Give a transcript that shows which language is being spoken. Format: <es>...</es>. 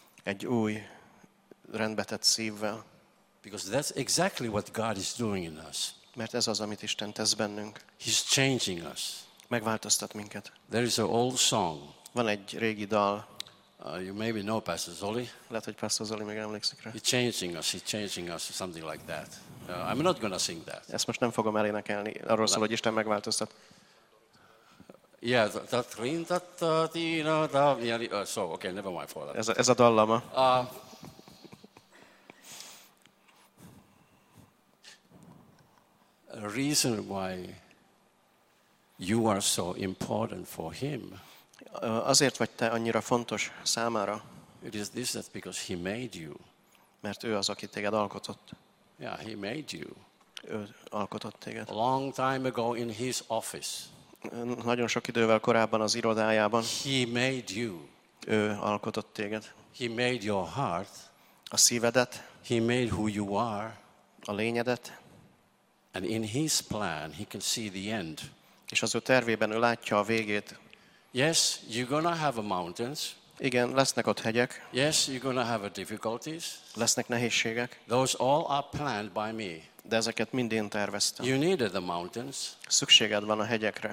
<hu>Egy új rendbetett szívvel.</hu> <en>Because that's exactly what God is doing in us.</en> <hu>Mert ez az, amit Isten tesz bennünk.</hu> <en>He's changing us.</en> <hu>Megváltoztat minket.</hu> <en>There is an old song.</en> <hu>Van egy régi dal.</hu> <en>You maybe know Pastor Zoli.</en> <hu>Lehet, hogy Pastor Zoli még emlékszik rá.</hu> <en>He's changing us, something like that. I'm not going to sing that.</en> <hu>Ezt most nem fogom elénekelni. Arról szól, hogy Isten megváltoztat.</hu> <en>Yeah, that ring, that so, okay, never mind for that.</en> <hu>Ez a dal lama.</hu> <en>A reason why you are so important for him.</en> <hu>Azért vagy te annyira fontos számára.</hu> <en>It is this that because he made you.</en> <hu>Mert ő az, aki téged alkotott.</hu> <en>Yeah, he made you.</en> <hu>Ő alkotott téged.</hu> <en>A long time ago in his office.</en> <hu>Nagyon sok idővel korábban az irodájában.</hu> <en>He made you.</en> <hu>Ő alkotott téged.</hu> <en>He made your heart.</en> <hu>A szívedet.</hu> <en>He made who you are.</en> <hu>A lényedet.</hu> <en>And in his plan he can see the end.</en> <hu>És az ő tervében ő látja a végét.</hu> <en>Yes, you're gonna have a mountains.</en> <hu>Igen, lesznek ott hegyek.</hu> <en>Yes, you're gonna have a difficulties.</en> <hu>Lesznek nehézségek.</hu> <en>Those all are planned by me.</en> <hu>De ezeket mind én terveztem.</hu> <en>You needed the mountains.</en> <hu>Szükséged van a hegyekre.</hu>